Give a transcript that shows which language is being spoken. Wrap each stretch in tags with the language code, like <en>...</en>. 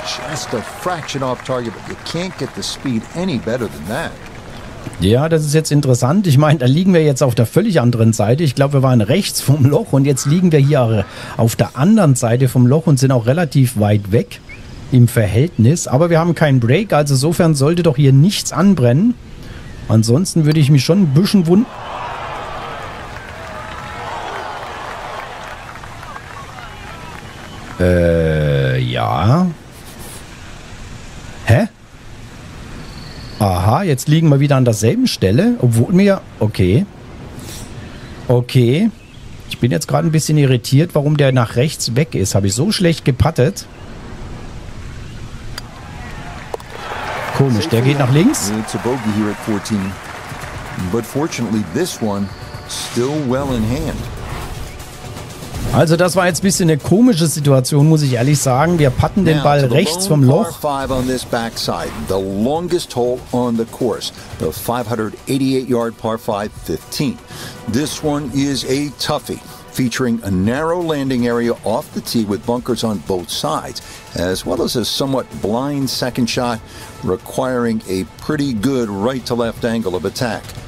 <en>Just a fraction off target, but you can't get the speed any better than that.</en> <de>Ja, das ist jetzt interessant. Ich meine, da liegen wir jetzt auf der völlig anderen Seite. Ich glaube, wir waren rechts vom Loch und jetzt liegen wir hier auf der anderen Seite vom Loch und sind auch relativ weit weg im Verhältnis. Aber wir haben keinen Break, also insofern sollte doch hier nichts anbrennen. Ansonsten würde ich mich schon ein bisschen wundern. Ja. Hä? Aha, jetzt liegen wir wieder an derselben Stelle, obwohl mir... Okay. Okay. Ich bin jetzt gerade ein bisschen irritiert, warum der nach rechts weg ist. Habe ich so schlecht gepattet? komisch. Der geht nach links.</de> <en>It's a bogey here at 14. But fortunately, this one still well in hand.</en> <de>Also das war jetzt ein bisschen eine komische Situation, muss ich ehrlich sagen. Wir putten den Ball rechts vom Loch.</de> <en>Now to the lone par 5 on this backside, the longest hole on the course, the 588-yard par 5, 15. This one is a toughie, featuring a narrow landing area off the tee with bunkers on both sides, as well as a somewhat blind second shot, requiring a pretty good right-to-left angle of attack.</en>